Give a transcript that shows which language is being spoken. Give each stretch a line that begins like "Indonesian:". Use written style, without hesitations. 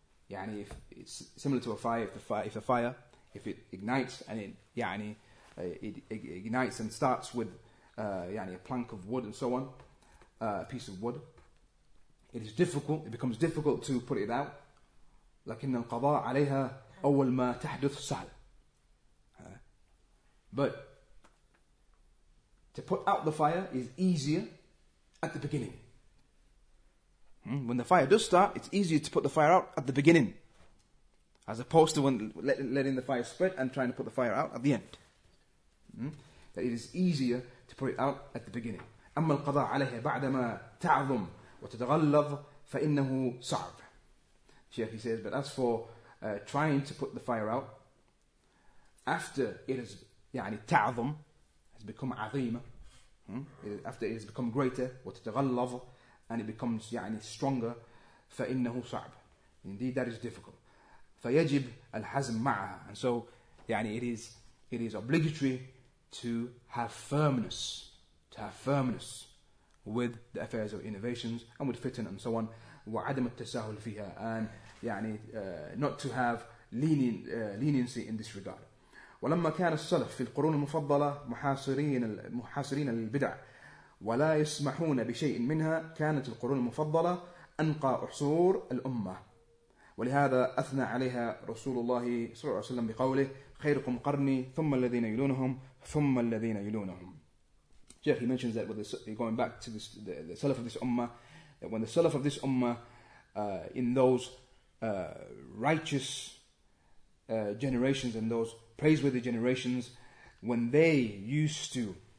English: يعني if it's similar to a fire, if it ignites and it, يعني, it ignites and starts with يعني a plank of wood and so on, a piece of wood, it is difficult, it becomes difficult to put it out.
Arabic: لكن القضاء عليها أول ما تحدث سهل.
English: But to put out the fire is easier at the beginning. When the fire does start, it's easier to put the fire out at the beginning, as opposed to when letting the fire spread and trying to put the fire out at the end. That it is easier to put it out at the beginning.
Arabic: أما القضاء عليها بعدما تعظم وتتغلظ فإنه صعب.
English: Sheikh, he says, but as for trying to put the fire out after it has, يعني تعظم, has become عظيمة, after it has become greater, وتتغلظ, and it becomes يعني stronger,
Arabic: فإنه صعب.
English: Indeed, that is difficult.
Arabic: فيجب الحزم معها,
English: and so يعني it is obligatory to have firmness with the affairs of innovations and with fitan and so on.
Arabic: وعدم التساهل فيها,
English: and يعني not to have leniency in this regard.
Arabic: ولما كان السلف في القرون المفضلة محاصرين البدع ولا يسمحون بشيء منها كانت القرون المفضلة أنقى عصور الأمة, ولهذا أثنى عليها رسول الله صلى الله عليه وسلم بقوله خيركم قرني ثم الذين يلونهم ثم الذين يلونهم.
English: Jeff, he mentions that with the, going back to this, the Salaf of this Ummah, that when the Salaf of this Ummah in those righteous generations and those praiseworthy generations, when they used to